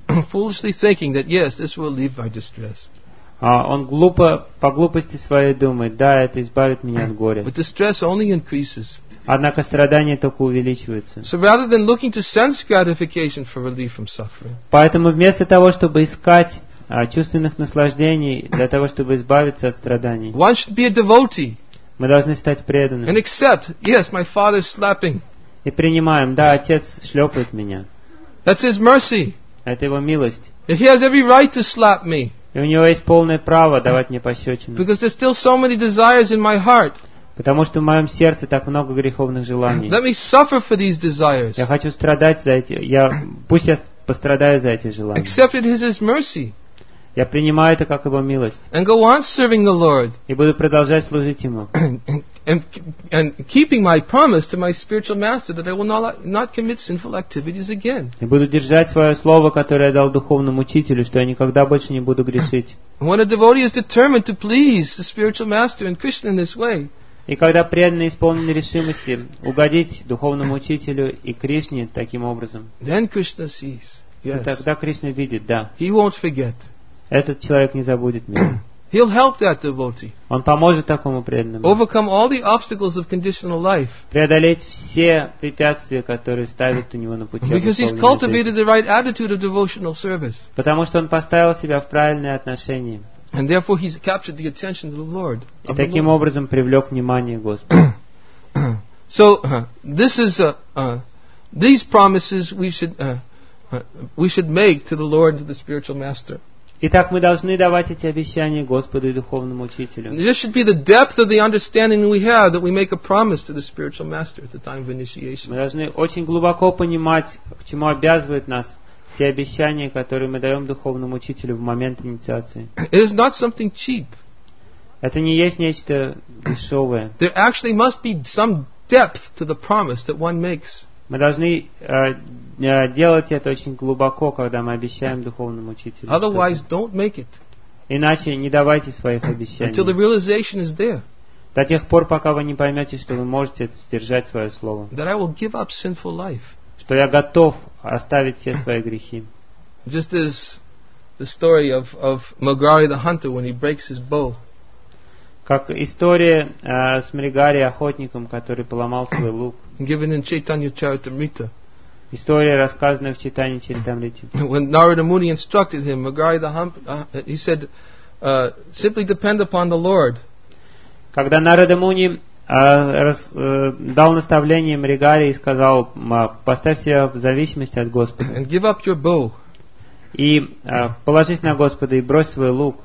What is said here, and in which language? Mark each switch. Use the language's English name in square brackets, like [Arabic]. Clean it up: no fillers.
[English] Foolishly thinking that yes, this will relieve my distress. [Russian] Он глупо по глупости своей думает, да, это избавит меня от горя. [English] But distress only increases. [Russian] Однако страдания только увеличиваются. [English] So rather than looking to sense gratification for relief from suffering. [Russian] Поэтому вместо того, чтобы искать чувственных наслаждений для того, чтобы избавиться от страданий. [English] One should be a devotee. [Russian] Мы должны стать преданными. [English] And accept, yes, my father is slapping. [Russian] И принимаем, да, отец шлепает меня. [English] That's his mercy. [Russian] Это его милость. [English] If he has every right to slap me. [Russian] И у него есть полное право давать мне пощечину. [English] Because there's still so many desires in my heart. [Russian] Потому что в моем сердце так много греховных желаний. [English] Let me suffer for these desires. [Russian] Я хочу страдать за эти. Пусть я пострадаю за эти желания. [English] Accept it as his mercy. [Russian] Я принимаю это как его милость. [English] And go on serving the Lord. [Russian] И буду продолжать служить ему. [English] And keeping my promise to my spiritual master that I will not commit sinful activities again. [Russian] И буду держать свое слово, которое я дал духовному учителю, что я никогда больше не буду грешить. [English] When a devotee is determined to please the spiritual master and Krishna in this way. [Russian] И когда преданный исполнен решимости угодить духовному учителю и Кришне таким образом. [English] Then Krishna sees. Yes. [Russian] И тогда Кришна видит, да. [English] He won't forget. [Russian] Этот человек не забудет меня. [English] He'll help that devotee. [Russian] Он поможет такому преданному. [English] Overcome all the obstacles of conditional life. [Russian] Преодолеть все препятствия, которые ставят у него на пути. [English] Because he's cultivated the right attitude of devotional service. [Russian] Потому что он поставил себя в правильное отношение. [English] And therefore he's captured the attention of the Lord. [Russian] И таким образом привлек внимание Господа. [English] So this is these promises we should make to the Lord, to the spiritual master. [Russian] Итак, мы должны давать эти обещания Господу и духовному учителю. [English] This should be the depth of the understanding we have that we make a promise to the spiritual master at the time of initiation. [Russian] Мы должны очень глубоко понимать, к чему обязывает нас те обещания, которые мы даем духовному учителю в момент инициации. [English] It is not something cheap. [Russian] Это не есть нечто дешевое. [English] There actually must be some depth to the promise that one makes. [Russian] Мы должны делать это очень глубоко, когда мы обещаем духовному учителю. [English] Otherwise, don't make it. [Russian] Иначе не давайте своих обещаний. [English] Until the realization is there. [Russian] До тех пор, пока вы не поймете, что вы можете сдержать свое слово. [English] That I will give up sinful life. [Russian] Что я готов оставить все свои грехи. [English] Just as the story of Magari the hunter when he breaks his bow. [Russian] Как история с Мригари охотником, который поломал свой лук. [English] Given in Chaitanya Charitamrita. [Russian] История, рассказанная в Чайтанье Чаритамрите. [English] When Narada Muni instructed him, Magari the hunter, he said, simply depend upon the Lord. [Russian] Когда Нарада Муни дал наставление Мригари и сказал, поставь себя в зависимости от Господа. [English] And give up your bow. [Russian] И положись на Господа и брось свой лук.